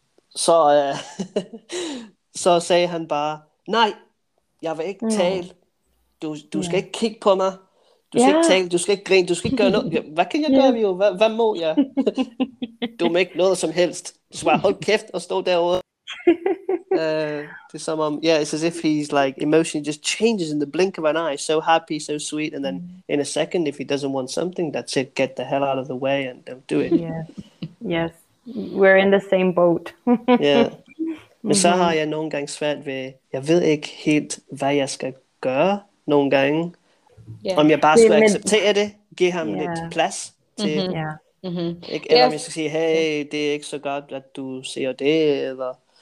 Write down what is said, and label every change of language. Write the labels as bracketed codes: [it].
[da] Så, så sagde han bare, nej, jeg vil ikke tale. Du skal ikke kigge på mig. Du skal ikke tale, du skal ikke grine, du skal ikke gøre noget. Hvad kan jeg gøre, Vigo? Hvad må jeg? Du må ikke noget som helst. Så bare hold kæft og stå derovre. [en] To some, it's as if he's like emotion just changes in the blink of an eye, so happy, so sweet, and then in a second, if he doesn't want something, that's it, get the hell out of the way and don't do it. Yes, we're in the same boat. [da] Men så har jeg nogle gange svært ved, jeg ved ikke helt, hvad jeg skal gøre nogle gange, om jeg bare skal acceptere det, give ham lidt plads til, eller om jeg skal sige, hey, det er ikke så godt, at du ser det, eller